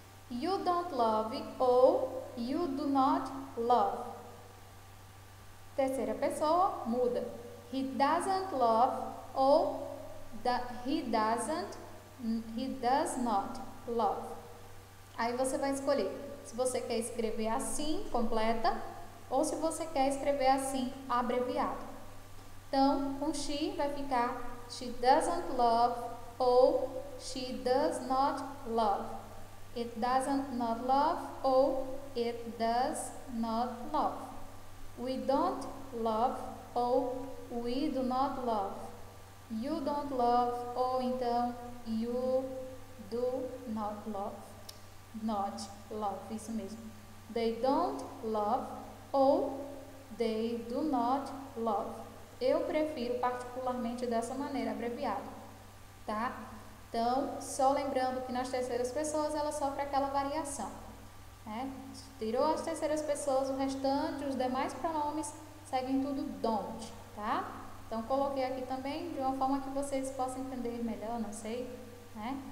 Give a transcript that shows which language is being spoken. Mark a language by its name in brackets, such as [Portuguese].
[English] You don't love ou you do not love. [Portuguese] Terceira pessoa, muda. [English] He doesn't love ou he does not love. [Portuguese] Aí você vai escolher se você quer escrever assim, completa, ou se você quer escrever assim, abreviado. Então, com she vai ficar [English] she doesn't love ou she does not love. It doesn't not love ou it does not love. We don't love ou we do not love. You don't love ou então you do not love. Not love, [Portuguese] isso mesmo. [English] They don't love ou they do not love. [Portuguese] Eu prefiro particularmente dessa maneira, abreviado. Tá? Então, só lembrando que nas terceiras pessoas ela sofre aquela variação. Né? Tirou as terceiras pessoas, o restante, os demais pronomes seguem tudo don't. Tá? Então, coloquei aqui também de uma forma que vocês possam entender melhor, não sei. Né?